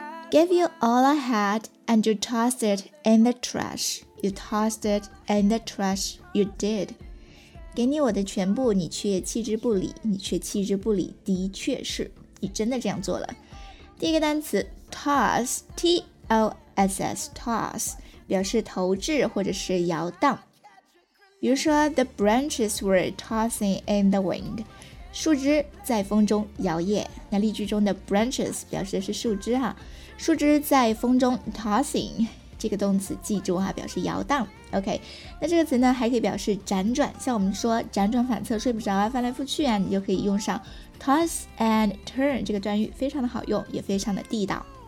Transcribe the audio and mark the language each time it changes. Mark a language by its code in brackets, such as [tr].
[en] Gave you all I had and you tossed it in the trash. You tossed it in the trash. You did. [zh] 给你我的全部，你却弃之不理，你却弃之不理，的确是，你真的这样做了。第一个单词 toss, T-O-S-S, toss, 表示投掷或者是摇荡。比如说 [en] the branches were tossing in the wind, [zh] 树枝在风中摇曳。那例句中的 branches 表示的是树枝哈，树枝在风中 tossing, 这个动词记住哈，表示摇荡。OK， 那这个词呢还可以表示辗转，像我们说辗转反侧，睡不着啊，翻来覆去啊，你就可以用上 [en] toss and turn [zh] 这个短语，非常的好用，也非常的地道。